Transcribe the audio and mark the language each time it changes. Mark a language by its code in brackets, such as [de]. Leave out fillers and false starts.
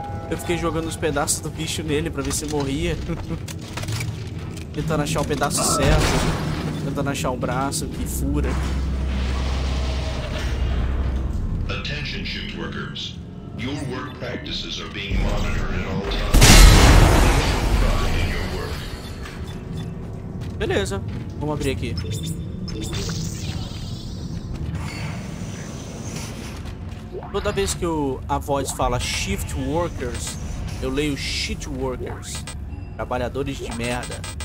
[pt] Eu fiquei jogando os pedaços do bicho nele pra ver se morria. Tentando achar o pedaço certo. Tentando achar o braço que fura. [en] Attention, shift workers. Your work practices are being monitored at all times. [pt] Beleza, vamos abrir aqui. Toda vez que a voz fala [en] shift workers, [pt] eu leio [en] shit workers. [pt] Trabalhadores de merda.